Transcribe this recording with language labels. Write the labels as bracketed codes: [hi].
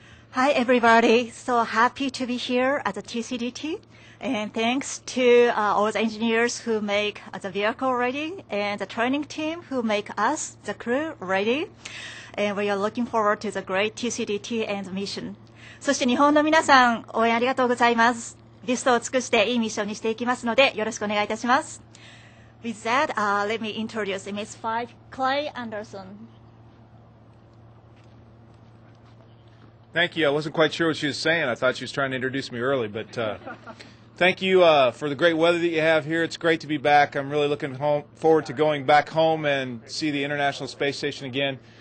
[en] Hi, everybody. So happy to be here at the TCDT. And thanks to all the engineers who make the vehicle ready and the training team who make us, the crew, ready. And we are looking forward to the great TCDT and the mission. [ja] そして日本の皆さん、応援ありがとうございます。ベストを尽くしていいミッションにしていきますので、よろしくお願いいたします。 [en] With that, let me introduce MS-5, Clay Anderson. Thank you. I wasn't quite sure what she was saying. I thought she was trying to introduce me early, but thank you for the great weather that you have here. It's great to be back. I'm really looking forward to going back home and see the International Space Station again.